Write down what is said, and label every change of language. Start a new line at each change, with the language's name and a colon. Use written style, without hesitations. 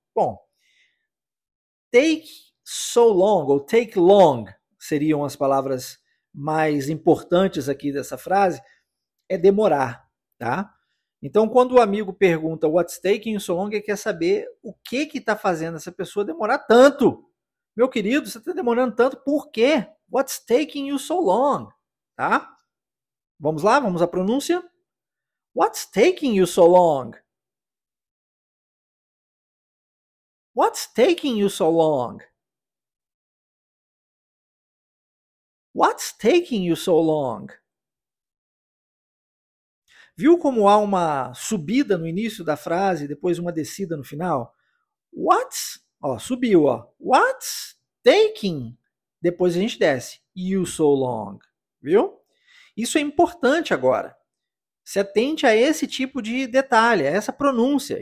Portuguese: Bom, take so long ou take long seriam as palavras mais importantes aqui dessa frase. É demorar, tá? Então, quando o amigo pergunta
English: what's taking so long,
Portuguese: ele quer saber o que está fazendo essa pessoa demorar tanto. Meu querido, você está demorando tanto, por quê?
English: What's taking you so long?
Portuguese: Tá? Vamos lá, vamos à pronúncia.
English: What's taking you so long? What's taking you so long? What's taking you so long?
Portuguese: Viu como há uma subida no início da frase e depois uma descida no final? What's, ó, subiu, ó. What's taking? Depois a gente desce.
English: You so long. Viu?
Portuguese: Isso é importante agora. Se atente a esse tipo de detalhe, a essa pronúncia.